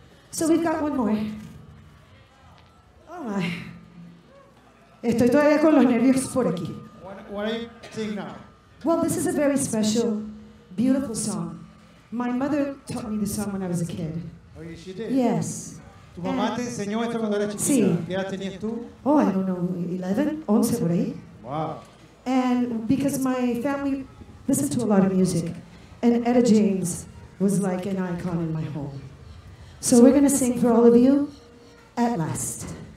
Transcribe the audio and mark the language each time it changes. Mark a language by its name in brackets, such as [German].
[English] So we've got one more. Oh my. [Spanish] Estoy todavía con los nervios por aquí. [English] What are you singing now? Well, this is a very special, beautiful song. My mother taught me this song when I was a kid. Oh, yes, she did? Yes. [Spanish] Tu mamá te enseñó esto cuando era chiquita. ¿Qué edad tenías tú? [English] Oh, I don't know, 11, 11 [Spanish] por ahí. [English] Wow. And because my family listened to a lot of music, and Etta James was like an icon in my home. So we're going to sing for all of you, At Last.